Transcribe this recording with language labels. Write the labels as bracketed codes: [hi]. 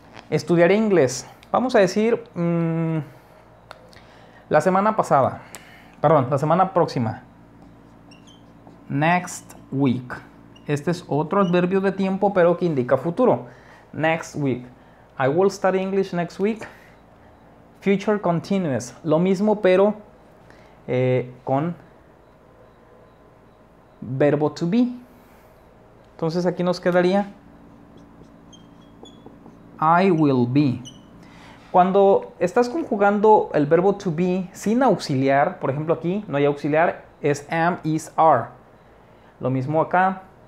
[es] Estudiaré inglés. Vamos a decir la semana pasada. Perdón, la semana próxima. [en] Next week. [es] Este es otro adverbio de tiempo, pero que indica futuro. [en] Next week. I will study English next week. Future continuous. [es] Lo mismo, pero con verbo to be. Entonces aquí nos quedaría [en] I will be. [es] Cuando estás conjugando el verbo to be sin auxiliar, por ejemplo aquí no hay auxiliar, es am, is, are. Lo mismo acá.